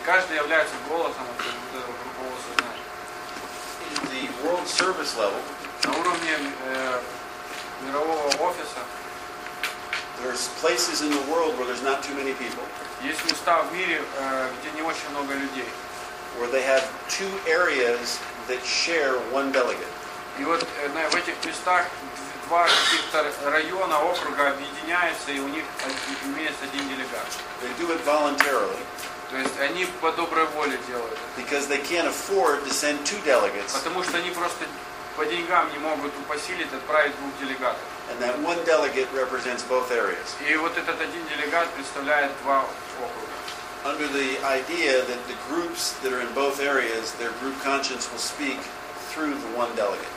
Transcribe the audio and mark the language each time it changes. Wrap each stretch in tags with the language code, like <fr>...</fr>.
<ru>Каждый является голосом этого группового сознания.</ru> <en>In the world service level,</en> <ru>на уровне мирового офиса,</ru> <en>there's places in the world where there's not too many people.</en> <ru>Есть места в мире, где не очень много людей.</ru> <en>Where they have two areas that share one delegate.</en> <ru>И вот в этих местах два каких-то района, округа объединяются, и у них имеется один делегат.</ru> <en>They do it voluntarily.</en> <ru>То есть они по доброй воле делают.</ru> <en>Because they can't afford to send two delegates.</en> <ru>Потому что они просто по деньгам не могут упосилить отправить двух делегатов.</ru> <en>And that one delegate represents both areas.</en> <ru>И вот этот один делегат представляет два округа.</ru> <en>Under the idea that the groups that are in both areas, their group conscience will speak through the one delegate.</en>